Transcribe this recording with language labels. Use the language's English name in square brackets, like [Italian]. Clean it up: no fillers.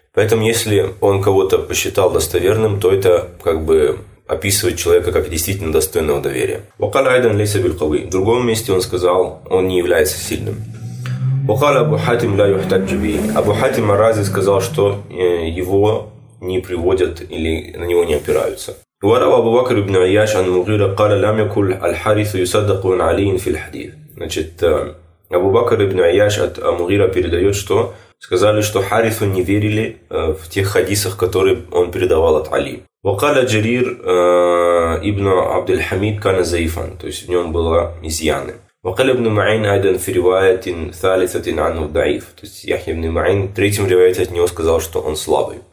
[Russian] Поэтому если он кого-то посчитал достоверным, то это как бы описывает человека как действительно достойного доверия. [Arabic] وقال ايضا ليس بالقوي. [Russian] В другом месте он сказал, он не является сильным. [Arabic] وقال ابو حاتم لا يحتج به. [Russian] Абу Хатим ар-Рази сказал, что его не приводят или на него не опираются. [Arabic] وروى ابو بكر بن عياش عن مغيرة قال لم يكن الحارث يصدق علي في الحديث. [Russian] Значит, Абу Бакр ибн Айяш от Амугира передает, что сказали, что Харису не верили в тех хадисах, которые он передавал от Али. [Arabic] Вакала Джарир ибн Абдельхамид кана заифан, [Russian] то есть в нем было изъяны. [Arabic] Вакала ибн Маин айдан фиривайатин талисатин анну даиф, [Russian] то есть Яхья ибн Маин в третьем ривайате от него сказал, что он слабый.